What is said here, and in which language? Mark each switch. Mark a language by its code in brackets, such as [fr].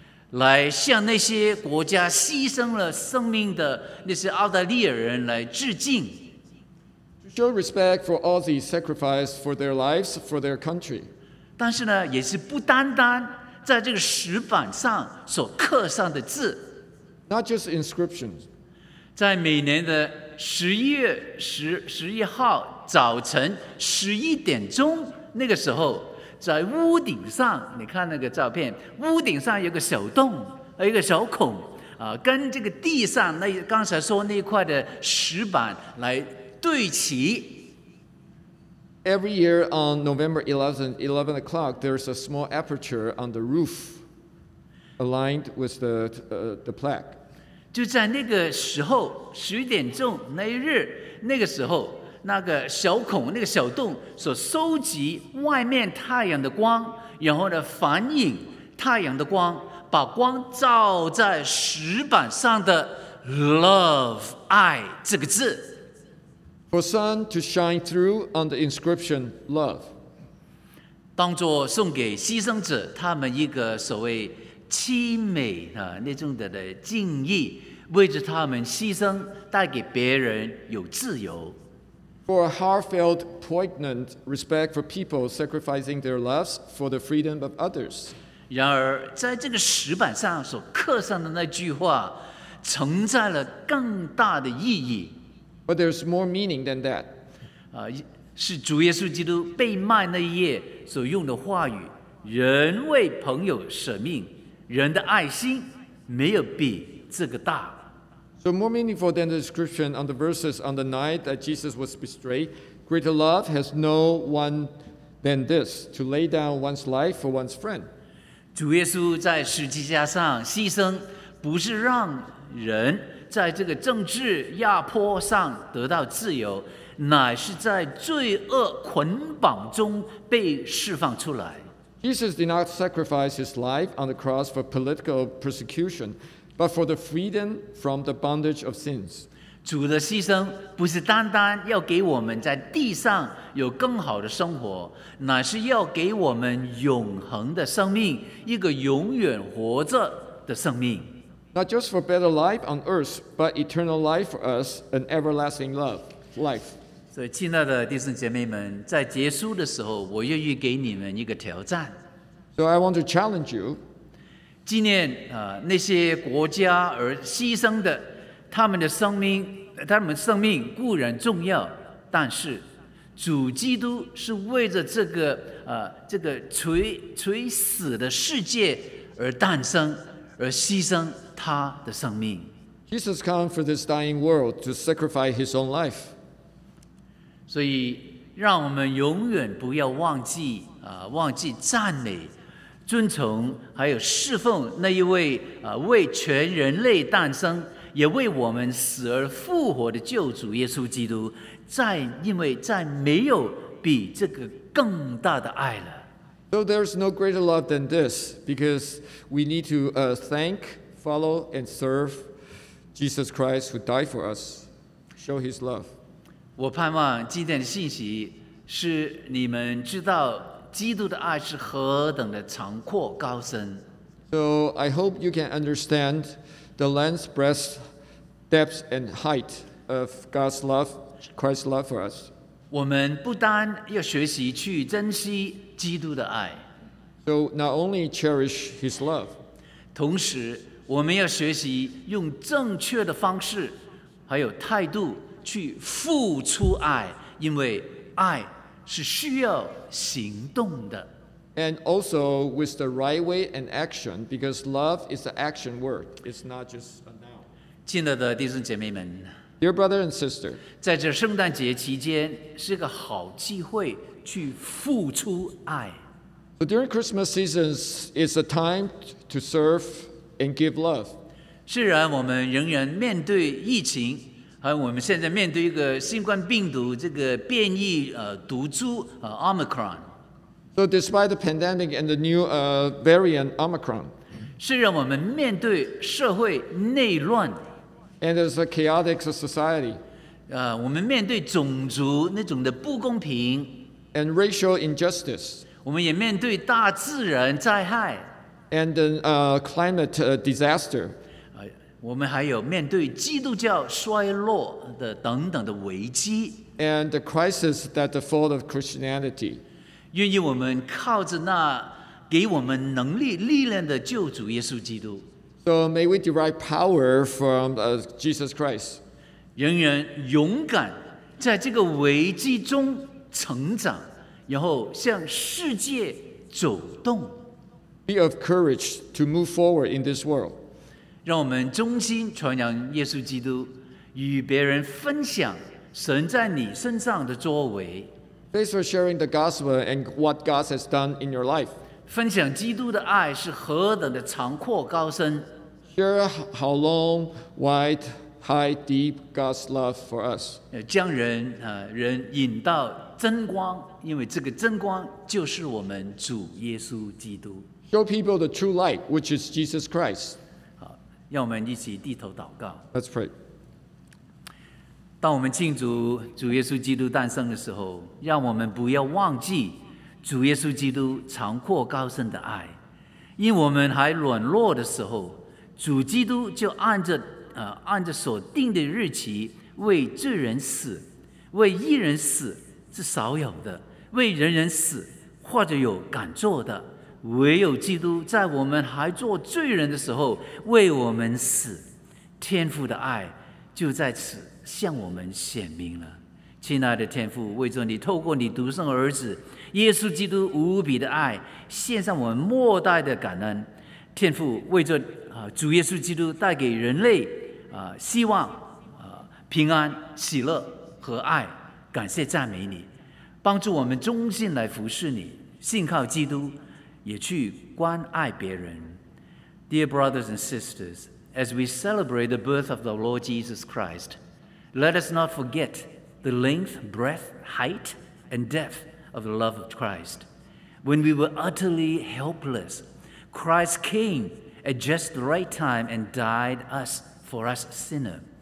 [zh] 来向那些国家牺牲了生命的那些澳大利亚人来致敬。 [en] To show respect for Aussies sacrificed for their lives for their country. [zh] 但是呢，也是不单单在这个石板上所刻上的字。 [en] Not just inscriptions. [zh] 在每年的11月11号早晨11点钟那个时候。在屋顶上，你看那个照片，屋顶上有个小洞，一个小孔，跟这个地上那刚才说那块的石板来对齐。 [en] Every year on November 11, 11 o'clock, there's a small aperture on the roof, aligned with the plaque. [zh] 就在那个时候，十点钟那一日，那个时候。那个小孔那个小洞所收集外面太阳的光然后呢反映太阳的光把光照在石板上的 love 爱这个字 [en] For sun to shine through on the inscription love [zh] 当作送给牺牲者他们一个所谓凄美那种的敬意为着他们牺牲带给别人有自由 [en] For a heartfelt, poignant respect for people sacrificing their lives for the freedom of others. [zh] 然而，在这个石板上所刻上的那句话，承载了更大的意义。 [en] But there's more meaning than that. [zh] 是主耶稣基督被卖那一夜所用的话语：“人为朋友舍命，人的爱心没有比这个大。” [en] So more meaningful than the description on the verses on the night that Jesus was betrayed, greater love has no one than this, to lay down one's life for one's friend. [zh] 主耶稣在十字架上牺牲，不是让人在这个政治压迫上得到自由，乃是在罪恶捆绑中被释放出来。 [en] Jesus did not sacrifice his life on the cross for political persecution, but for the freedom from the bondage of sins. [zh] 主的牺牲不是单单要给我们在地上有更好的生活，乃是要给我们永恒的生命，一个永远活着的生命。 [en] Not just for better life on earth, but eternal life for us, an everlasting love, life. [zh] 所以，亲爱的弟兄姐妹们，在结束的时候，我愿意给你们一个挑战。 [en] So I want to challenge you. [zh] 纪念那些国家而牺牲的，他们的生命，他们生命固然重要，但是主基督是为着这个垂死的世界而诞生，而牺牲他的生命。 [en] Jesus came for this dying world to sacrifice his own life. [zh] 所以，让我们永远不要忘记赞美、尊崇还有侍奉那一位为全人类诞生，也为我们死而复活的救主耶稣基督，因为再没有比这个更大的爱了。 [en] So there's no greater love than this, because we need to thank, follow, and serve Jesus Christ who died for us, show His love. [zh] 我盼望今天的信息是你们知道基督的爱是何等的广阔高深。 [en] So I hope you can understand. The length, breadth, depth, and height of God's love, Christ's love for us. [zh] 我们不单要学习去珍惜基督的爱。 [en] So not only cherish His love. [zh] 同时，我们要学习用正确的方式，还有态度去付出爱，因为爱是需要行动的。 [en] And also with the right way and action, because love is an action word. It's not just a noun. [zh] 亲爱的弟兄姐妹们 [en] Dear brother and sister, [zh] 在这圣诞节期间是个好机会去付出爱。 [en] So during Christmas season, it's a time to serve and give love. [zh] 虽然我们仍然面对疫情，还有我们现在面对一个新冠病毒这个变异毒株Omicron。 [en] So despite the pandemic and the new variant Omicron, [zh] 是让我们面对社会内乱 [en] and there's a chaotic society, [zh] 我们面对种族那种的不公平 [en] and racial injustice, [zh] 我们也面对大自然灾害 [en] and the climate disaster, [zh] 我们还有面对基督教衰落的等等的危机 [en] and the crisis that the fall of Christianity. [zh] 愿意我们靠着那给我们能力力量的救主耶稣基督 [en] So may we derive power from Jesus Christ [zh] 仍然勇敢在这个危机中成长然后向世界走动 [en] Be of courage to move forward in this world [zh] 让我们忠心传扬耶稣基督与别人分享神在你身上的作为 [en] Thanks for sharing the gospel and what God has done in your life. [zh] 分享基督的爱是何等的长阔高深。 [en] Share how long, wide, high, deep God's love for us. [zh] 将人引到真光，因为这个真光就是我们主耶稣基督。 [en] Show people the true light, which is Jesus Christ. [zh] 好，让我们一起低头祷告。 [en] Let's pray. [zh] 当我们庆祝主耶稣基督诞生的时候，让我们不要忘记主耶稣基督长阔高深的爱，因我们还软弱的时候，主基督就按着所定的日期为罪人死，为义人死是少有的，为人人死或者有敢做的，唯有基督在我们还做罪人的时候为我们死，天父的爱就在此向我们显明了，亲爱的天父，为着你透过你独生儿子耶稣基督无比的爱，献上我们莫大的感恩。天父，为着主耶稣基督带给人类希望、平安、喜乐和爱，感谢赞美你，帮助我们忠心来服侍你，信靠基督，也去关爱别人。 [en] Dear brothers and sisters, as we celebrate the birth of the Lord Jesus Christ. Let us not forget the length, breadth, height, and depth of the love of Christ. When we were utterly helpless, Christ came at just the right time and died for us sinners.